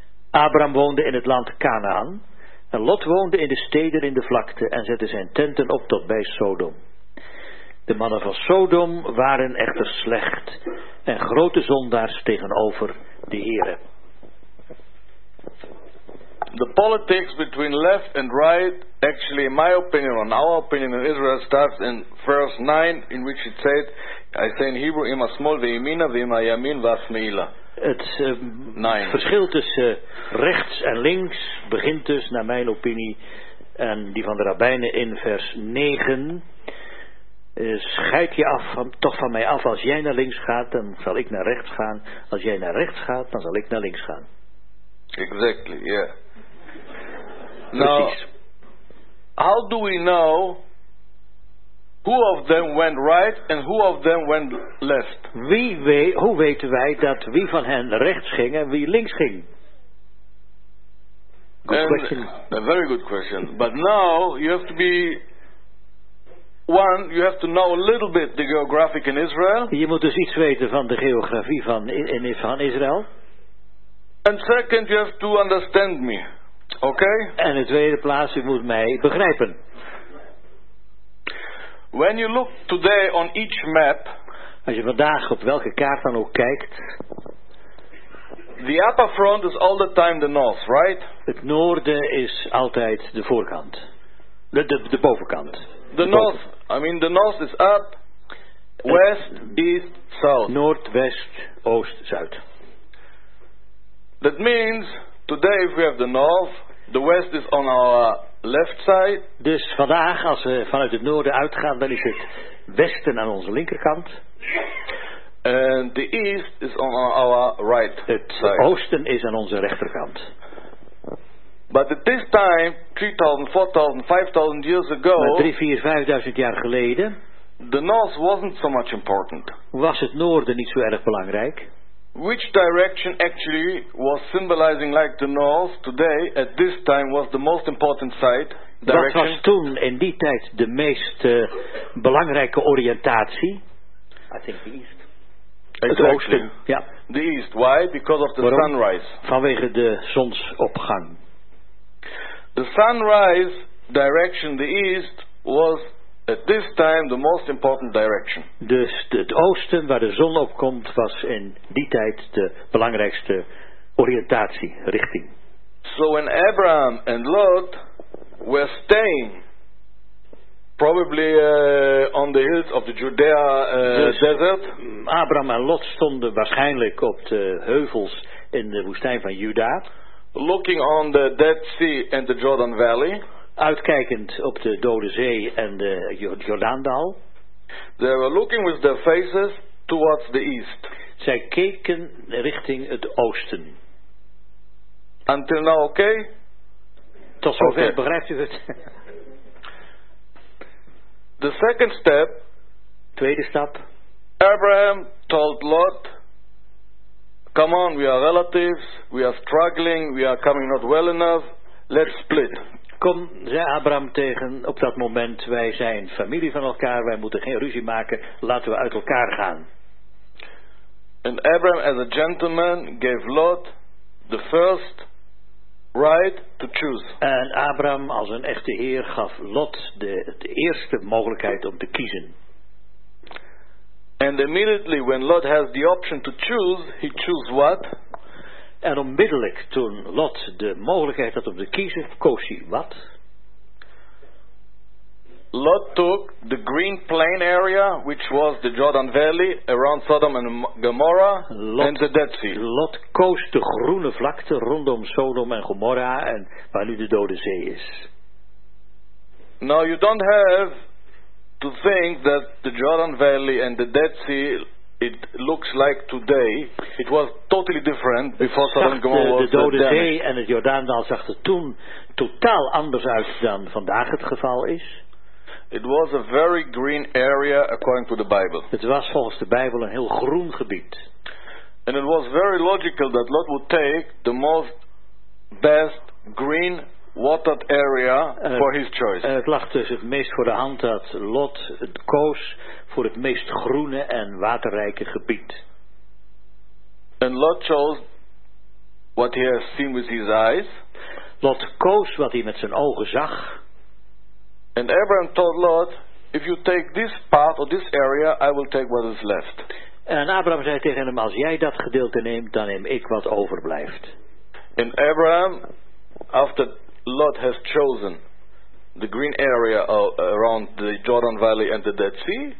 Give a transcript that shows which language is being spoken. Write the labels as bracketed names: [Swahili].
[Dutch] Abram woonde in het land Canaan, en Lot woonde in de steden in de vlakte en zette zijn tenten op tot bij Sodom. De mannen van Sodom waren echter slecht en grote zondaars tegenover de Heere. [English] The politics between left and right, actually in my opinion, or our opinion in Israel, starts in verse 9, in which it said, I say in Hebrew, [Hebrew] ima smol ve'imina ve'ima yamin ve'asmeila. [Dutch] Het verschil tussen rechts en links begint dus, naar mijn opinie, en die van de rabbijnen in vers 9. Scheid je af van, toch van mij af, als jij naar links gaat, dan zal ik naar rechts gaan. Als jij naar rechts gaat, dan zal ik naar links gaan. [English] Exactly, yeah. [Dutch] Precies. [English] Now, how do we know who of them went right and who of them went left? [Dutch] Hoe weten wij dat wie van hen rechts ging en wie links ging? [English] A very good question. But now you have to be one. You have to know a little bit the geographic in Israel. [Dutch] Je moet dus iets weten van de geografie van Israël. [English] And second, you have to understand me. Okay? [Dutch] En in tweede plaats, je moet mij begrijpen. [English] When you look today on each map, [Dutch] als je vandaag op welke kaart dan ook kijkt, [English] the upper front is all the time the north, right? [Dutch] Het noorden is altijd de voorkant, de bovenkant. [English] The north, I mean the north is up, west, east, south. [Dutch] Noord, west, oost, zuid. [English] That means today if we have the north, the west is on our left side. [Dutch] Dus vandaag, als we vanuit het noorden uitgaan, dan is het westen aan onze linkerkant. [English] And the east is on our right. [Dutch] Het oosten is aan onze rechterkant. [English] But at this time, 3000, 4000, 5000 years ago. [Dutch] Maar 3000, 4000, 5000 jaar geleden. [English] The north wasn't so much important. [Dutch] Was het noorden niet zo erg belangrijk? [English] Which direction actually was symbolizing like the north today at this time was the most important site direction? [Dutch] Wat was toen in die tijd de meest belangrijke oriëntatie? [English] I think the east. Exactly. [Dutch] Het oosten. Ja. [English] The east. Why? Because of the [Dutch] Waarom? [English] Sunrise. [Dutch] Vanwege de zonsopgang. [English] The sunrise direction, the east, was at this time the most important direction. [Dutch] Dus het oosten waar de zon opkomt was in die tijd de belangrijkste oriëntatie, richting. [English] So when Abraham and Lot were staying probably on the hills of the Judea [Dutch] dus [English] desert. [Dutch] Abraham en Lot stonden waarschijnlijk op de heuvels in de woestijn van Juda. [English] Looking on the Dead Sea and the Jordan Valley. [Dutch] Uitkijkend op de Dode Zee en de Jordaandal. [English] They were looking with their faces towards the east. [Dutch] Zij keken richting het oosten. [English] Until now, okay? [Dutch] Tot zover, okay. Begrijpt u het? [English] The second step. [Dutch] Tweede stap. [English] Abraham told Lot, come on, we are relatives, we are struggling, we are coming not well enough, let's split. [Dutch] Kom, zei Abraham tegen op dat moment, wij zijn familie van elkaar, wij moeten geen ruzie maken, laten we uit elkaar gaan. [English] And Abraham as a gentleman gave Lot the first right to choose. [Dutch] En Abraham als een echte heer gaf Lot de eerste mogelijkheid om te kiezen. [English] And immediately when Lot has the option to choose, he chooses what? [Dutch] En onmiddellijk toen Lot de mogelijkheid had om te kiezen, koos hij wat? [English] Lot took the green plain area, which was the Jordan Valley around Sodom and Gomorrah, Lot, and the Dead Sea. [Dutch] Lot koos de groene vlakte rondom Sodom en Gomorrah, en waar nu de Dode Zee is. [English] Now you don't have to think that the Jordan Valley and the Dead Sea, it looks like today, it was totally different before Sodom and Gomorrah was damaged. [Dutch] De Dode Zee en het Jordaandal zag er toen totaal anders uit dan vandaag het geval is. [English] It was a very green area according to the Bible. [Dutch] Het was volgens de Bijbel een heel groen gebied. [English] And it was very logical that Lot would take the most best green watered area for his choice. [Dutch] En het lag dus het meest voor de hand dat Lot het koos voor het meest groene en waterrijke gebied. [English] And Lot chose what he had seen with his eyes. [Dutch] Lot koos wat hij met zijn ogen zag. [English] And Abraham told Lot, if you take this path or this area, I will take what is left. [Dutch] En Abraham zei tegen hem, als jij dat gedeelte neemt, dan neem ik wat overblijft. [English] And Abraham, after Lot has chosen the green area around the Jordan Valley and the Dead Sea.